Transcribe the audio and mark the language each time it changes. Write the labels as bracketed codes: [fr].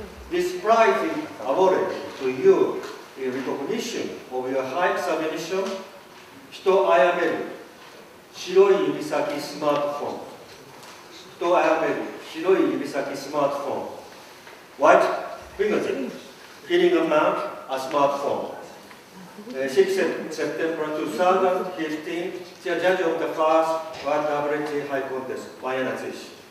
[en] This prize is awarded to you in recognition of your haiku submission. [ja] 人を殺める。白い指先スマートフォン。人を殺める。白い指先スマートフォン。 [en] White fingertip. Killing a man, a smartphone. 6th September 2015, the judge of the first WHA Haiku Contest, Maya Natsuishi.